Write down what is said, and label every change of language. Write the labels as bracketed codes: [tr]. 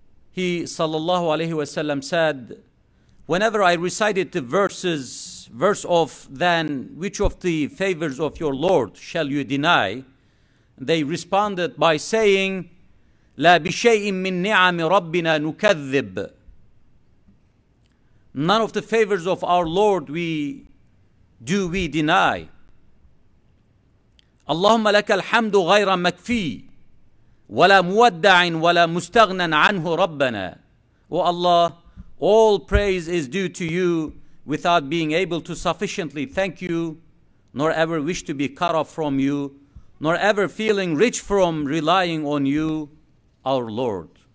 [en] He sallallahu alayhi wa sallam said, whenever I recited the verse of, then which of the favors of your Lord shall you deny? They responded by saying, [ar] La bishay'in min ni'ami rabbina nukadhib. [en] None of the favors of our Lord do we deny. [ar] اللهم لك الحمد غير مكفي ولا مودع ولا مستغنى عنه ربنا. [en] O Allah, all praise is due to you without being able to sufficiently thank you, nor ever wish to be cut off from you, nor ever feeling rich from relying on you, our Lord.